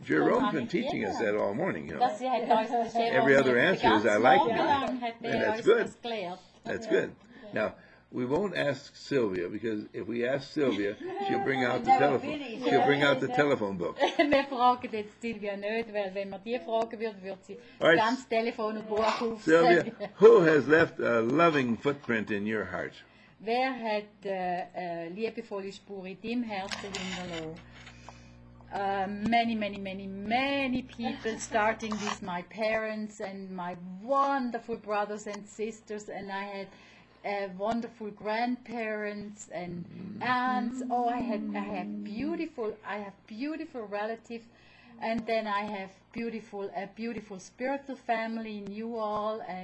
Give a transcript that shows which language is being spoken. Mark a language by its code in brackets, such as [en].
[en] Jerome's been teaching us that all morning, you know. [de] Das [en] every other answer is I like me. And that's good. That's good. Now. We won't ask Sylvia, because if we ask Sylvia, she'll bring out the telephone. Finish. She'll bring out the telephone book. [de] We fragen jetzt Sylvia nicht, weil wenn man die fragen würde, würde sie das ganze Telefonbuch aufsagen. [en] Sylvia, who has left a loving footprint in your heart? [de] Wer hat liebevolle Spur in deinem Herzen hinterlassen? [en] Many people, starting with my parents and my wonderful brothers and sisters, and I had wonderful grandparents and aunts. Oh, I have beautiful relatives, and then I have a beautiful spiritual family in you all.